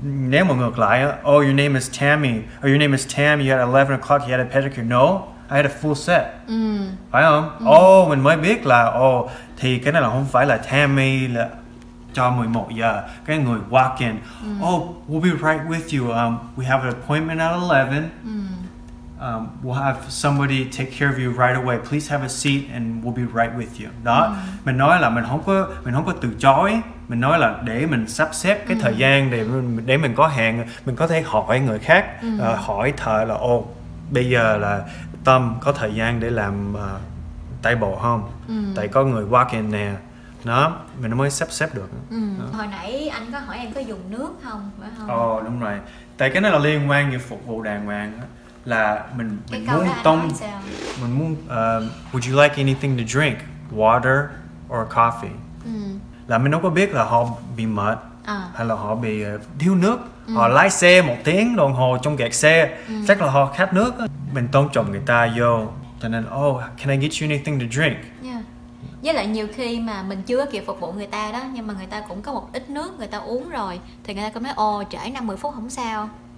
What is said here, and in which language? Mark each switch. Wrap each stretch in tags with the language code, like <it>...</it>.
<en>Nếu mà ngược lại, oh your name is Tammy, oh your name is Tam, you had 11 o'clock, you had a pedicure. No, I had a full set.</en> <vi>Phải không? Oh, mình mới biết là thì cái này là không phải là Tammy là cho 11 giờ. Cái người</vi> <en>walk in, oh we'll be right with you, we have an appointment at 11. We'll have somebody take care of you right away. Please have a seat and we'll be right with you.</en> <vi>Đó. Mình nói là mình không có từ chối. Mình nói là để mình sắp xếp cái thời gian để mình có hẹn, mình có thể hỏi người khác, hỏi thợ là ồ, bây giờ là Tâm có thời gian để làm tay bộ không? Tại có người walk in nè. Đó, mình mới sắp xếp được. Hồi nãy anh có hỏi em có dùng nước không, phải không? Đúng rồi. Tại cái này là liên quan như phục vụ đàng hoàng á. là mình muốn tông, mình muốn</vi> <en>would you like anything to drink, water or coffee?</en> <vi>Là mình đâu có biết là họ bị mệt hay là họ bị thiếu nước. Họ lái xe một tiếng đồng hồ trong kẹt xe, chắc là họ khát nước. Mình tôn trọng người ta vô, cho nên</vi> <en>can I get you anything to drink?</en> <vi>Với lại nhiều khi mà mình chưa kịp phục vụ người ta đó, nhưng mà người ta cũng có một ít nước người ta uống rồi, thì người ta cũng nói trễ 5-10 phút không sao.</vi>